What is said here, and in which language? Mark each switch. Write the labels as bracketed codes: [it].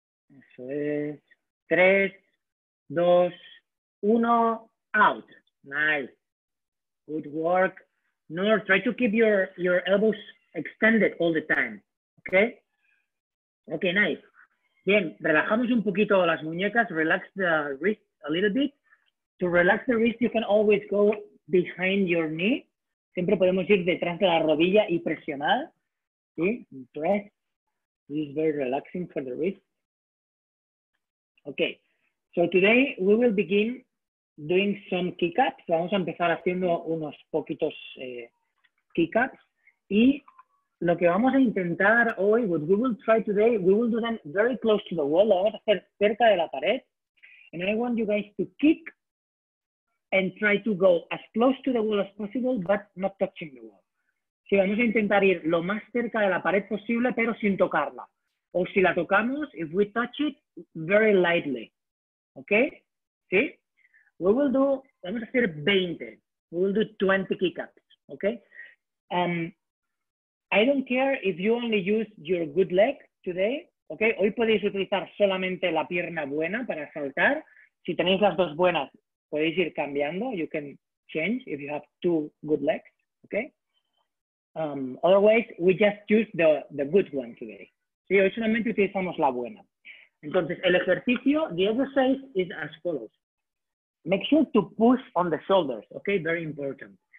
[es] Eso es. [en] 3, 2, 1, out. Nice. Good work. Nur, try to keep your elbows extended all the time. Okay? Okay, nice. [es] Bien, relajamos un poquito las muñecas. [en] Relax the wrist a little bit. To relax the wrist, you can always go behind your knee. [es] Siempre podemos ir detrás de la rodilla y presionar. [en] ¿Sí? Press. This is very relaxing for the wrist. Okay. So today we will begin doing some kick-ups. [es] Vamos a empezar haciendo unos poquitos kick-ups. Y lo que vamos a intentar hoy, [en] what we will try today, we will do them very close to the wall. [es] Lo vamos a hacer cerca de la pared. [en] And I want you guys to kick and try to go as close to the wall as possible, but not touching the wall. [es] Sí, vamos a intentar ir lo más cerca de la pared posible, pero sin tocarla. O si la tocamos, [en] if we touch it, very lightly. Okay? Sí? We will do, [es] vamos a hacer 20. [en] We will do 20 kick-ups. Okay? I don't care if you only use your good leg today. Okay? [es] Hoy podéis utilizar solamente la pierna buena para saltar. Si tenéis las dos buenas, podéis ir cambiando. [en] You can change if you have two good legs. Okay? Otherwise, we just use the good one today. [es] Sí, hoy solamente utilizamos la buena. Entonces, el ejercicio, [en] the exercise is as follows. Make sure to push on the shoulders. Okay? Very important.